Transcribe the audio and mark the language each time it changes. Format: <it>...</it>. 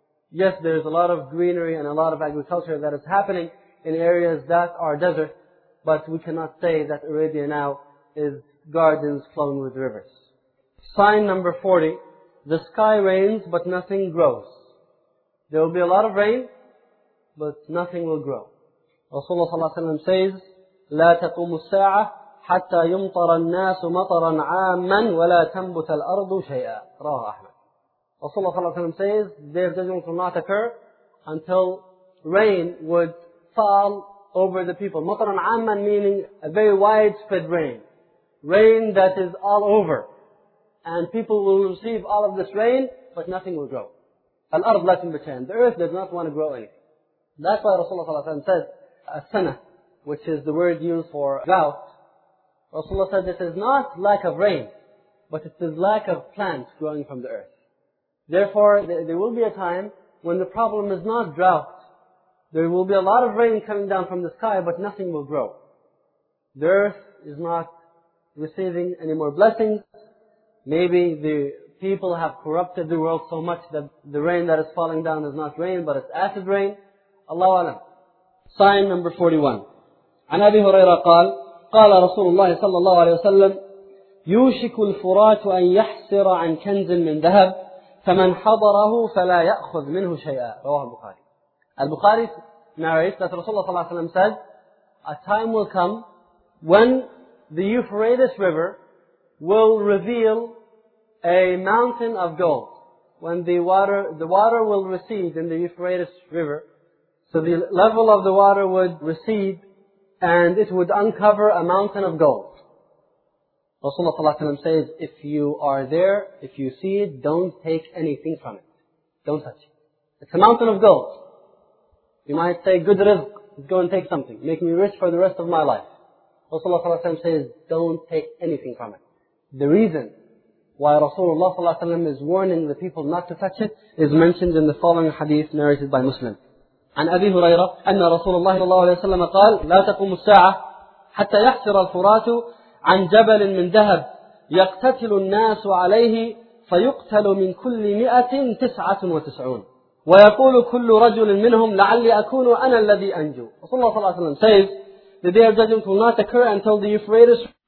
<en>Yes, there's a lot of greenery and a lot of agriculture that is happening in areas that are desert, but we cannot say that Arabia now is gardens flowing with rivers. Sign number 40, the sky rains, but nothing grows. There will be a lot of rain, but nothing will grow. Rasulullah ﷺ says,</en> <ar>لا تقوم الساعة حتى يمطر الناس مطرا عاما ولا تنبت الأرض شيئا. رواه أحمد.</ar> <en>Rasulullah ﷺ says, this judgment will not occur until rain would fall over the people.</en> <ar>مطرا عاما</ar> <en>meaning a very widespread rain. Rain that is all over. And people will receive all of this rain, but nothing will grow.</en> <ar>الأرض لا تنبت شيئا.</ar> <en>The earth does not want to grow anything. That's why Rasulullah ﷺ says, As-sana, which is the word used for drought, Rasulullah said it is not lack of rain, but it is lack of plants growing from the earth. Therefore, there will be a time when the problem is not drought. There will be a lot of rain coming down from the sky, but nothing will grow. The earth is not receiving any more blessings. Maybe the people have corrupted the world so much that the rain that is falling down is not rain, but it's acid rain. Allahu a'lam. Sign number 41.</en> <ar>عن أبي هريرة قال قال رسول الله صلى الله عليه وسلم يوشك الفرات أن يحسر عن كنز من ذهب فمن حضره فلا يأخذ منه شيئا. رواه البخاري.</ar> <en>البخاري narrates that Rasulullah صلى الله عليه وسلم said, a time will come when the Euphrates River will reveal a mountain of gold. When the water will recede in the Euphrates River, so the level of the water would recede and it would uncover a mountain of gold. Rasulullah ﷺ says, if you are there, if you see it, don't take anything from it. Don't touch it. It's a mountain of gold. You might say, good rizq, go and take something. Make me rich for the rest of my life. Rasulullah ﷺ says, don't take anything from it. The reason why Rasulullah ﷺ is warning the people not to touch it is mentioned in the following hadith narrated by Muslim.</en> <ar>عن أبي هريرة أن رسول الله صلى الله عليه وسلم قال لا تقوم الساعة حتى يحسر الفرات عن جبل من ذهب يقتتل الناس عليه فيقتل من كل 199 ويقول كل رجل منهم لعلي أكون أنا الذي أنجو. رسول الله صلى الله عليه وسلم says</ar> <en>The Day of Judgment will not occur until the Euphrates.</en>